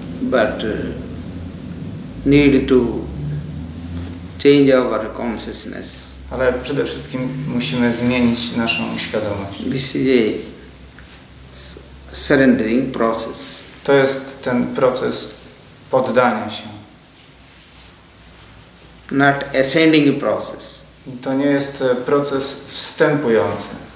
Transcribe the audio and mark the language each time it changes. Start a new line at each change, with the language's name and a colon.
English: But need to change our consciousness.
Polish: Ale przede wszystkim musimy zmienić naszą świadomość.
English: This is a surrendering process.
Polish: To jest ten proces poddania się.
English: Not ascending process.
Polish: To nie jest proces wstępujący.